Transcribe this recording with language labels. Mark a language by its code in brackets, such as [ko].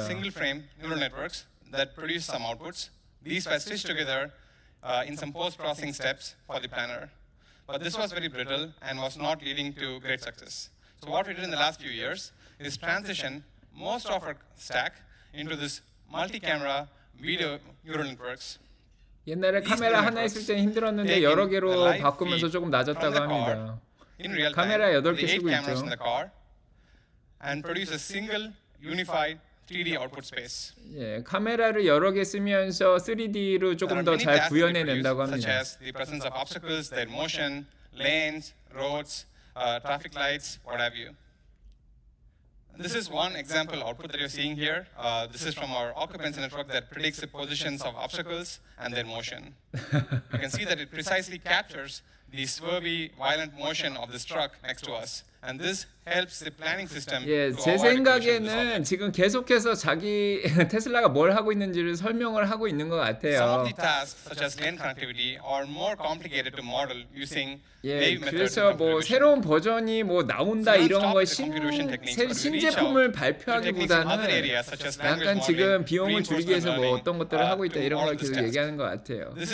[en] Single frame neural networks that produce some outputs. These were stitched together in some post-processing steps for the planner. But this was very brittle and was not leading to great success. So what we did in the last few years is transition most of our stack into this multi-camera video neural networks. [ko] 옛날에 카메라 하나 있을 때는 힘들었는데 여러 개로 바꾸면서 조금 나아졌다고 합니다. 카메라 8개 쓰고 있죠. [en] And produce a single unified 3D output space. [ko] 예, 카메라를 여러 개 쓰면서 3D로 조금 더 잘 구현해 낸다고 합니다. [en] Such as the presence of obstacles, their motion, lanes, roads, traffic lights, what have you. This is one example output that you're seeing here. This is from our occupancy network that predicts the positions of obstacles and their motion. You can see that it precisely captures the swervy, violent motion of this truck next to us. And this helps the planning system. [ko] 예, 제 생각에는 지금 계속해서 자기 테슬라가 뭘 하고 있는지를 설명을 하고 있는 것 같아요. [en] Some of the tasks, such as lane connectivity, are more complicated to model using wave methods. [ko] 예, 그래서 뭐 새로운 버전이 뭐 나온다 이런 거 신제품을 발표하기보다는 약간 지금 비용을 줄이기 위해서 뭐 어떤 것들을 하고 있다 이런 걸 계속 얘기하는 것 같아요.